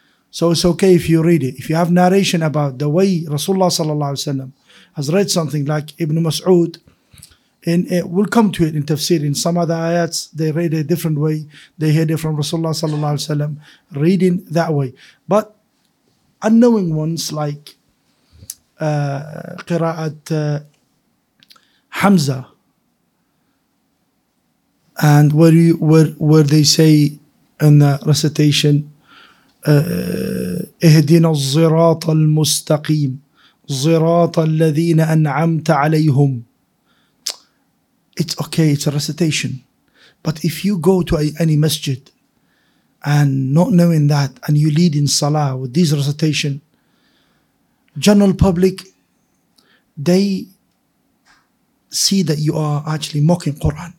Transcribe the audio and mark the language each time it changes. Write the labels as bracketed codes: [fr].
[en] So it's okay if you read it. If you have narration about the way Rasulullah sallallahu alayhi wa sallam has read something like Ibn Mas'ud, we'll come to it in tafsir. In some other ayats, they read it a different way. They heard it from Rasulullah sallallahu alayhi wa sallam, reading that way. But unknowing ones like [ar] قراءة حمزة [en] and where they say in the recitation [ar] اهدنا الصراط المستقيم صراط الذين أنعمت عليهم. [en] It's okay, it's a recitation, but if you go to any masjid and not knowing that and you lead in salah with this recitation, general public, they see that you are actually mocking Quran.